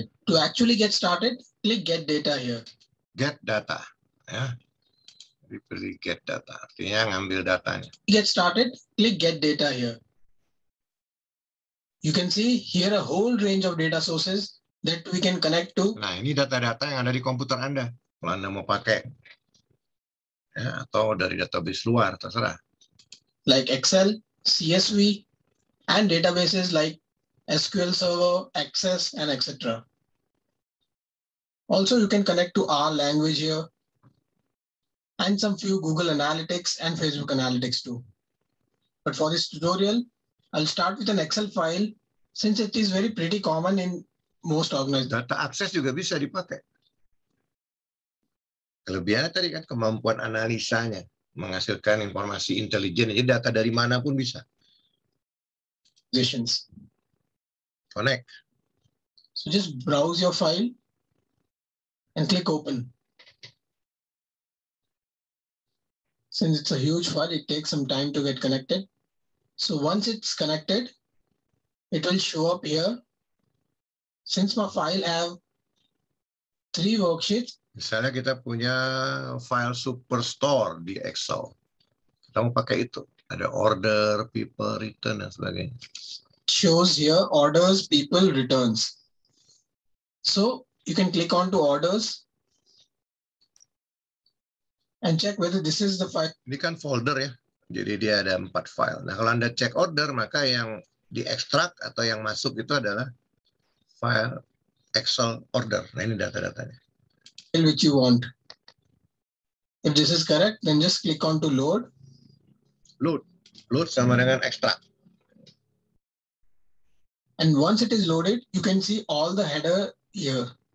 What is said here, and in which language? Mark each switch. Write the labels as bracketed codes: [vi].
[en] To actually get started, click get data here. Get data, ya. [id] Jadi pilih get data, artinya ngambil datanya. [en] Get started, click get data here. You can see here a whole range of data sources that we can connect to. [id] Nah, ini data-data yang ada di komputer Anda. Kalau Anda mau pakai ya, atau dari database luar terserah. [en] Like Excel, CSV, and databases like SQL Server, Access, and etc. Also, you can connect to R language here, and some few Google Analytics and Facebook Analytics too. But for this tutorial, I'll start with an Excel file since it is very pretty common in most organizations. [id] Data access juga bisa dipakai. Kelebihannya tadi kan kemampuan analisanya menghasilkan informasi intelijen, jadi data dari mana pun bisa. [en] Positions. Connect. So just browse your file and click open. Since it's a huge file, it takes some time to get connected. So once it's connected, it will show up here. Since my file have three worksheets. [id] Misalnya kita punya file superstore di Excel. Kita mau pakai itu. Ada order, people, return, dan sebagainya. [en] Shows here orders, people, returns. So, you can click on to orders. And check whether this is the file. [id] Ini kan folder ya. Jadi dia ada empat file. Nah, kalau Anda cek order, maka yang di-extract atau yang masuk itu adalah file Excel order. Nah, ini data-datanya. [en] Which you want. If this is correct, then just click on to load. [id] Load. Load sama dengan extract. [en] And once it is loaded, you can see all the header here.